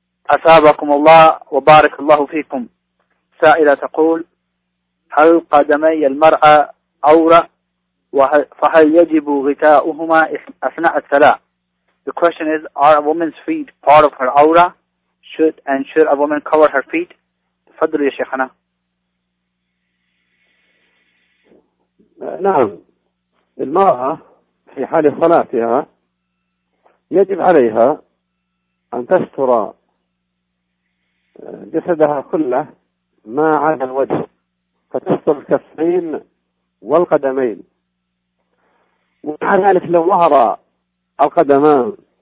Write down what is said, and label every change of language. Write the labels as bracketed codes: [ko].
[ar] أثابكم الله وبارك الله فيكم. سائلة تقول: هل قدمي المرأة عورة فهل يجب غطاؤهما أثناء الصلاة؟ [en] The question is: are a woman's feet part of her aura? Should a woman cover her feet [ar] تفضل يا شيخنا. نعم، المرأة في حال صلاتها يجب عليها أن تستر جسدها كله ما عدا الوجه، فتستر الكفين والقدمين، ومع ذلك لو ظهر القدمان